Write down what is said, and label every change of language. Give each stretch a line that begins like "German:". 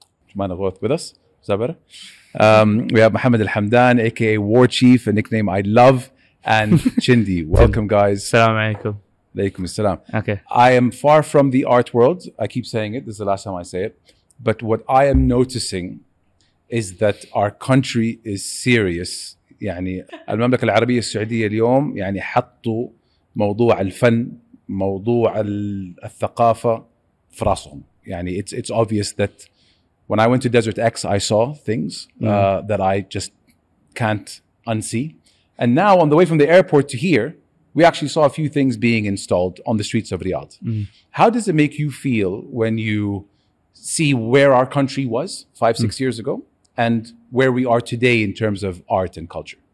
English: Is that better? We have Muhammad Alhamdan, aka Warchieff, a nickname I love, and Chndy. Welcome, guys.
Arabic: Assalamu alaikum. Alaikum assalam.
English: Okay. I am far from the art world. I keep saying it. This is the last time I say it. But what I am noticing is that our country is serious.
Arabic: يعني المملكة العربية السعودية اليوم يعني حطوا موضوع الفن موضوع الثقافة في راسهم.
English: يعني it's obvious that when I went to Desert X I saw things that I just can't unsee. And now on the way from the airport to here we actually saw a few things being installed on the streets of Riyadh. How does it make you feel when you see where our country was 5-6 years ago and where we are today in terms of art and culture?